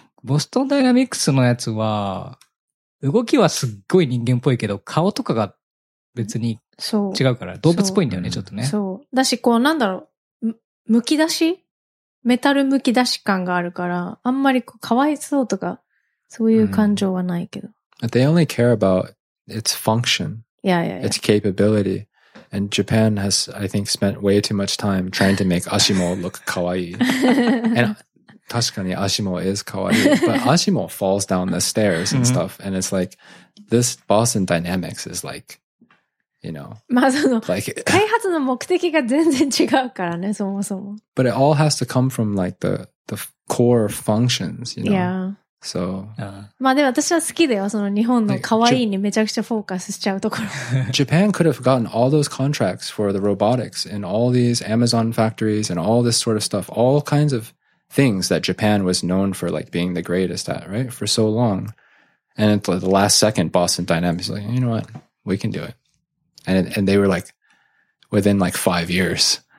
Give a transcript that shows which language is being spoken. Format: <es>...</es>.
<ja>ボストンダイナミクスのやつは、動きはすっごい人間っぽいけど、顔とかが別に違うから、動物っぽいんだよね、ちょっとね。そう。だし、こう、なんだろう、むき出し?メタルむき出し感があるから、あんまりこう、かわいそうとか、そういう感情はないけど。うん、</ja> <en>They only care about its function. Yeah, yeah, yeah. Its capability. And Japan has, I think, spent way too much time trying to make Ashimo look kawaii. And,</en> <ja>確かに</ja> <en>Ashimo is kawaii. But Ashimo falls down the stairs and stuff. And it's like, this Boston Dynamics is like,You know,</en> <ja>まあその開発の目的が全然違うからね、そもそも。</ja> <en>But it all has to come from like the core functions, you know. Yeah. So.</en> <ja>まあでも私は好きだよ、その日本の可愛いにめちゃくちゃフォーカスしちゃうところ。</ja> <en>Japan could have gotten all those contracts for the robotics and all these Amazon factories and all this sort of stuff, all kinds of things that Japan was known for like being the greatest at, right? For so long. And at the last second, Boston Dynamics is like, you know what? We can do it. And they were like, within like 5 years,</en>